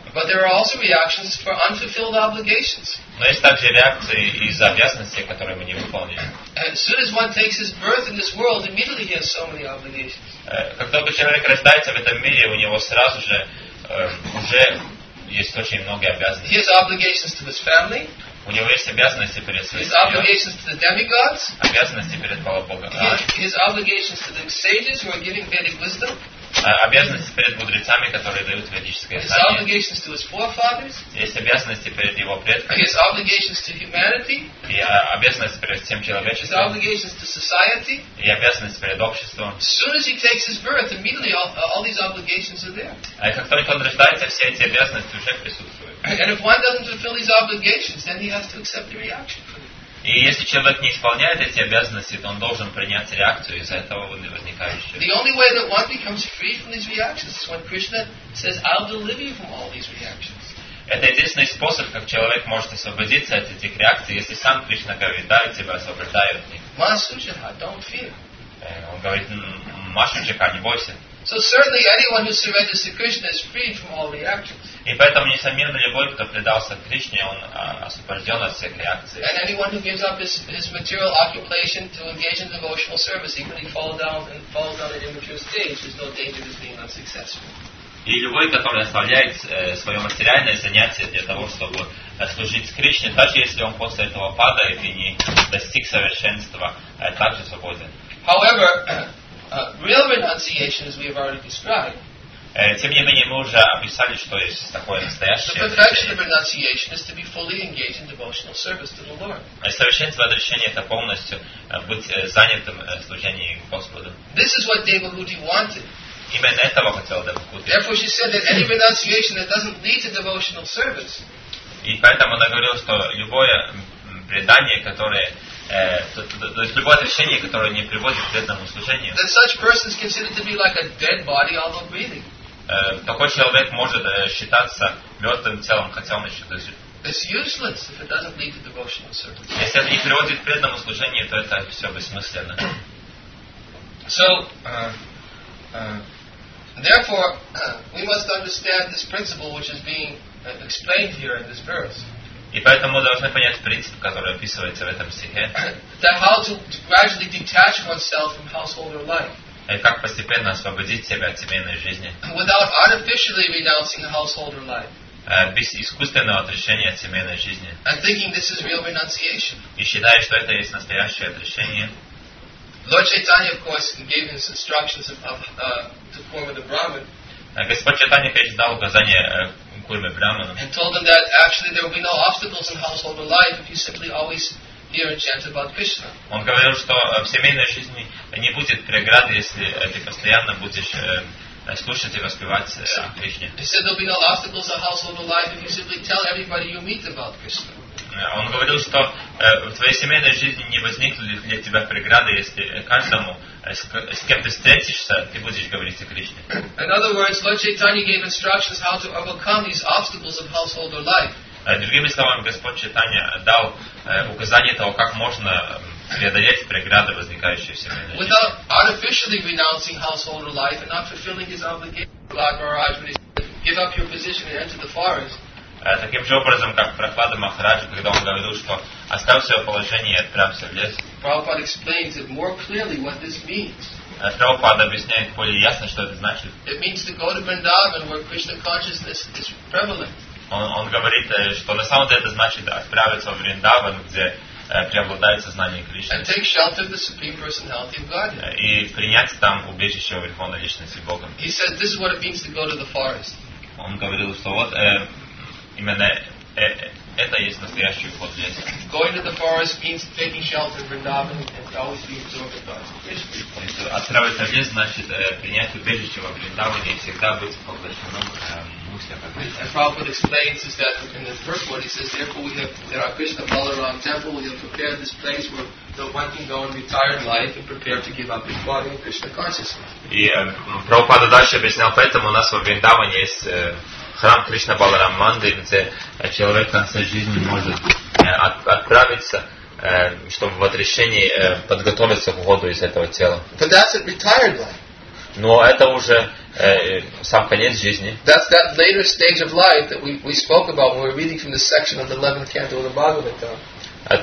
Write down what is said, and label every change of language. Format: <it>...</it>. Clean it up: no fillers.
<en>But there are also reactions for unfulfilled obligations.</en> <ru>Но есть также реакции из-за обязанностей, которые мы не выполнили.</ru> <en>As soon as one takes his birth in this world, immediately he has so many obligations.</en> <ru>Как только человек рождается в этом мире, у него сразу же уже есть очень много обязанностей.</ru> <en>He has obligations to his family.</en> <ru>У него есть обязанности перед своей семьей.</ru> <en>His obligations to the demigods.</en> <ru>Обязанности перед полубогами.</ru> <en>His obligations to the sages who are giving Vedic wisdom.</en> <ru>обязанности перед мудрецами, которые дают ведическое знание.</ru> <en>His obligations to his forefathers.</en> <ru>Есть обязанности перед его предками.</ru> <en>His obligations to humanity.</en> <ru>И обязанности перед всем человечеством.</ru> <en>His obligations to society.</en> <ru>И обязанности перед обществом.</ru> <en>As soon as he takes his birth, immediately all these obligations are there.</en> <ru>А как только он рождается, все эти обязанности уже присутствуют.</ru> <en>And if one doesn't fulfill these obligations, then he has to accept the reaction.</en> <ru>И если человек не исполняет эти обязанности, то он должен принять реакцию из-за этого возникающего.</ru> <en>The only way that one becomes free from these reactions is when Krishna says, "I'll deliver you from all these reactions."</en> <ru>Это единственный способ, как человек может освободиться от этих реакций, если сам Кришна говорит, "Да, я тебя освобождаю от них."</ru> <en>Masujaha, don't fear.</en> <ru>Он говорит, Масуджиха, не бойся.</ru> <en>So certainly, anyone who surrenders to Krishna is free from all reactions.</en> <ru>И поэтому несомненно любой, кто предался Кришне, он освобожден от всех реакций.</ru> <en>And anyone who gives up his material occupation to engage in devotional service, even if he falls down at immature stage, there's no danger of being unsuccessful.</en> <ru>И любой, который оставляет свое материальное занятие для того, чтобы служить Кришне, даже если он после этого падает и не достиг совершенства, также свободен.</ru> <en>However, real renunciation, as we have already described.</en> <ru>Тем не менее, мы уже описали, что есть такое настоящее.</ru> <en>The perfection of renunciation is to be fully engaged in devotional service to the Lord.</en> <ru>Совершенство отречения — это полностью быть занятым служением Господу.</ru> <en>This is what Devahuti wanted.</en> <ru>Именно этого хотел Девахути.</ru> <en>Therefore, she said that any renunciation that doesn't lead to devotional service.</en> <ru>И поэтому она говорила, что любое предание, которое то есть любое отречение, которое не приводит к преданному служению.</ru> <en>That such person is considered to be like a dead body, although breathing.</en> <ru>Такой человек может считаться мертвым телом, хотя он еще дышит.</ru> <en>It's useless if it doesn't lead to devotional service.</en> <ru>Если это не приводит к преданному служению, то это все бессмысленно.</ru> <en>So, therefore, we must understand this principle which is being explained here in this verse.</en> <ru>И поэтому мы должны понять принцип, который описывается в этом стихе.</ru> <en>That how to gradually detach oneself from household life.</en> <ru>Как постепенно освободить себя от семейной жизни.</ru> <en>Without artificially renouncing householder life.</en> <ru>Без искусственного отречения от семейной жизни.</ru> <en>And thinking this is real renunciation.</en> <ru>И считая, что это есть настоящее отречение.</ru> <en>Lord Chaitanya, of course, gave his instructions to Kurma the Brahman.</en> <ru>Господь Чайтанья, конечно, дал указание Курме Брахману.</ru> <en>And told him that actually there will be no obstacles in householder life if you simply always hear and chant about Krishna.</en> <ru>Он говорил, что в семейной жизни не будет преграды, если ты постоянно будешь слушать и воспевать Кришне.</ru> <en>He said there'll be no obstacles in householder life if you simply tell everybody you meet about Krishna.</en> <ru>Он говорил, что в твоей семейной жизни не возникнут для тебя преграды, если каждому, с кем ты встретишься, ты будешь говорить о Кришне.</ru> <en>In other words, Lord Chaitanya gave instructions how to overcome these obstacles of householder life.</en> <ru>Другими словами, Господь Чайтанья дал указание того, как можно преодолеть преграды, возникающие в семейной жизни.</ru> <en>Without artificially renouncing householder life and not fulfilling his obligation, give up your position and enter the forest.</en> <ru>Таким же образом, как Прахлада Махараджа, когда он говорил, что оставь свое положение и отправься в лес.</ru> <en>Prabhupada explains it more clearly what this means.</en> <ru>Прабхупада объясняет более ясно, что это значит.</ru> <en>It means to go to Vrindavan, where Krishna consciousness is prevalent.</en> <ru>Он говорит, что на самом деле это значит отправиться в Вриндаван, где преобладает сознание Кришны.</ru> <en>And take shelter of the Supreme Personality of Godhead.</en> <ru>И принять там убежище Верховной Личности Бога.</ru> <en>He said, this is what it means to go to the forest.</en> <ru>Он говорил, что вот именно это есть настоящий уход в лес.</ru> <en>Going to the forest means taking shelter in Vrindavan and always be absorbed by Krishna.</en> <ru>Отправиться в лес значит принять убежище во Вриндаване и всегда быть поглощенным мыслями о Кришне.</ru> <en>And Prabhupada explains is that in the first word he says, therefore we have in our Krishna Balaram temple, we have prepared this place where the one can go and retire in life and prepare to give up his body and Krishna consciousness.</en> <ru>И Прабхупада дальше объяснял, поэтому у нас во Вриндаване есть храм Кришна Баларам Манды, где человек в конце жизни может отправиться, чтобы в отрешении подготовиться к уходу из этого тела.</ru> <en>But that's a retired life.</en> <ru>Но это уже сам конец жизни.</ru> <en>That's that later stage of life that we spoke about when we were reading from the section of the 11th canto of the Bhagavata.</en>